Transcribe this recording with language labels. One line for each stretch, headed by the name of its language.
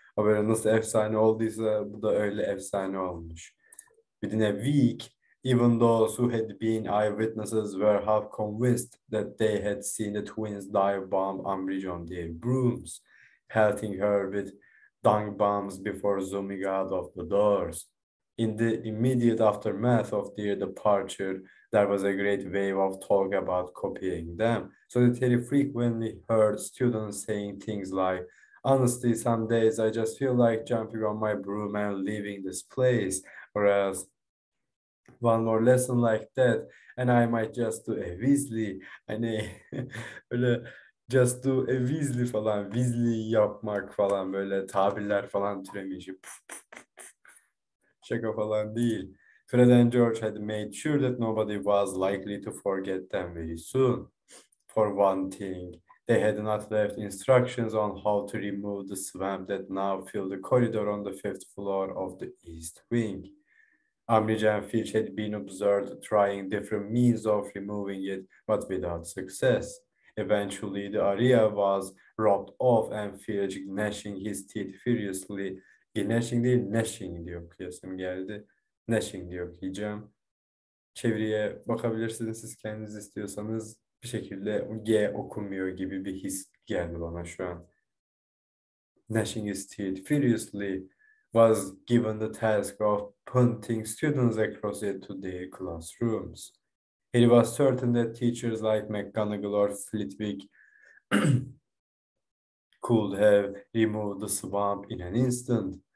Turkish: O böyle nasıl efsane olduysa bu da öyle efsane olmuş.
English: Within a week, even those who had been eyewitnesses were half convinced that they had seen the twins dive bomb Umbridge on their brooms, pelting her with dung bombs before zooming out of the doors. In the immediate aftermath of their departure, there was a great wave of talk about copying them. So the Terry frequently heard students saying things like, honestly, some days I just feel like jumping on my broom and leaving this place, or else one more lesson like that and I might just do a Weasley.
Turkish: Hani böyle
English: just do a Weasley
Turkish: falan, Weasley yapmak falan, böyle tabirler falan türemiş. Şaka falan değil.
English: Fred and George had made sure that nobody was likely to forget them very soon. For one thing, they had not left instructions on how to remove the swamp that now filled the corridor on the fifth floor of the east wing. Umbridge and Filch had been observed trying different means of removing it, but without success. Eventually, the area was roped off and Filch, gnashing his teeth furiously,
Turkish: gnashing değil, gnashing diye okuyasım geldi. Gnashing diye okuyacağım. Çeviriye bakabilirsiniz siz kendiniz istiyorsanız. Bir şekilde G okunmuyor gibi bir his geldi bana şu an.
English: Gnashing his teeth furiously was given the task of punting students across it to their classrooms. It was certain that teachers like McGonagall or Flitwick could have removed the swamp in an instant.